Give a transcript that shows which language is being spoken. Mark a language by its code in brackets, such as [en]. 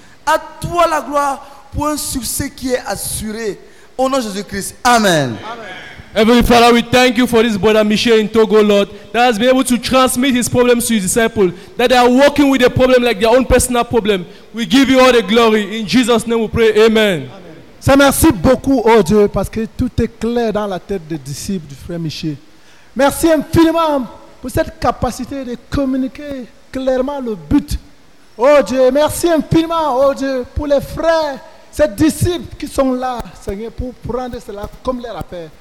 [fr] À toi la gloire pour un succès qui est assuré. Au nom de Jésus-Christ. Amen. Amen. [en] Heavenly Father, we thank you for this brother Michel in Togo, Lord, that has been able to transmit his problems to his disciples, that they are working with the problem like their own personal problem. We give you all the glory. In Jesus' name we pray. Amen. [fr] Ça merci beaucoup, oh Dieu, parce que tout est clair dans la tête des disciples du frère Michel. Merci infiniment pour cette capacité de communiquer clairement le but. Oh Dieu, merci infiniment, oh Dieu, pour les frères, ces disciples qui sont là, Seigneur, pour prendre cela comme leur appel.